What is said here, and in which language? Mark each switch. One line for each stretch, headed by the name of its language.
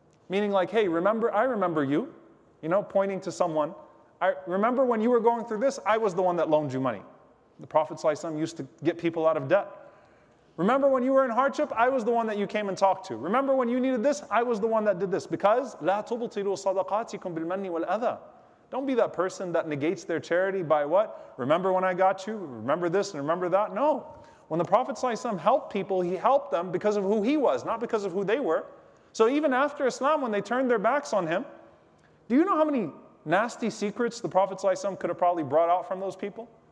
English: Meaning like, hey, remember, I remember you, you know, pointing to someone. I remember when you were going through this, I was the one that loaned you money. The Prophet ﷺ used to get people out of debt. Remember when you were in hardship, I was the one that you came and talked to. Remember when you needed this, I was the one that did this. Because,
Arabic: لا تبطلوا صدقاتكم بالمن والأذى.
English: Don't be that person that negates their charity by what? Remember when I got you, remember this and remember that. No. When the Prophet ﷺ helped people, he helped them because of who he was, not because of who they were. So even after Islam, when they turned their backs on him, Do you know how many nasty secrets the Prophet ﷺ could have probably brought out from those people?